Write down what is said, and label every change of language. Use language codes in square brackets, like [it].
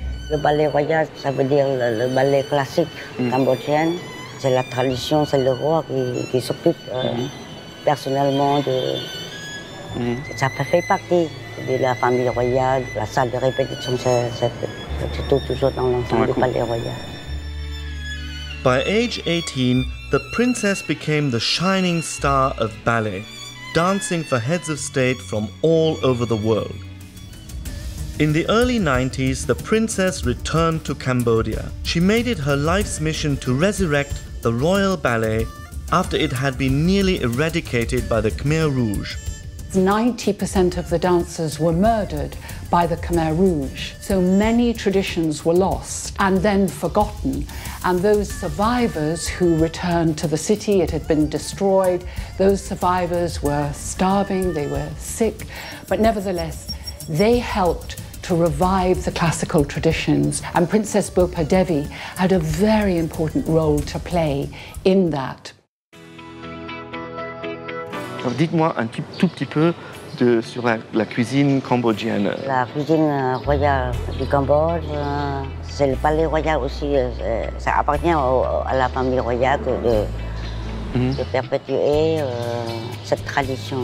[fr] Le ballet royal, ça veut dire le ballet classique cambodgien. C'est la tradition, c'est le roi qui s'occupe personnellement de... Ça fait partie de la famille royale, la salle de répétition, c'est toujours dans l'ensemble du ballet royal. [en] By age 18, the princess became the shining star of ballet, dancing for heads of state from all over the world. In the early 90s, the princess returned to Cambodia. She made it her life's mission to resurrect the royal ballet after it had been nearly eradicated by the Khmer Rouge. 90% of the dancers were murdered by the Khmer Rouge. So many traditions were lost and then forgotten. And those survivors who returned to the city, it had been destroyed. Those survivors were starving, they were sick. But nevertheless, they helped to revive the classical traditions. And Princess Buppha Devi had a very important role to play in that. [fr] Alors dites-moi un tout petit peu de, sur la cuisine cambodgienne. La cuisine royale du Cambodge, c'est le palais royal aussi. Ça appartient à la famille royale de perpétuer cette tradition.